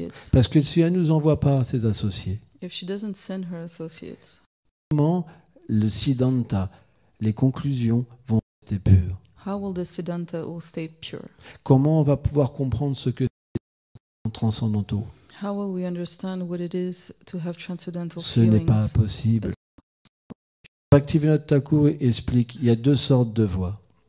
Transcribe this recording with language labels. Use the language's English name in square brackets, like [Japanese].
[French] Parce que si elle ne nous envoie pas ses associés, [English] if she doesn't send her associates, [French] comment le Siddhanta, les conclusions vont rester pures. [English] How will the Siddhanta will stay pure? [French] Comment on va pouvoir comprendre ce que c'est transcendantal? [English] How will we understand what it is to have transcendental [French] ce [English] feelings? [French] N'est pas possible. Bhaktivinoda Thakur explique il y a deux sortes de voies.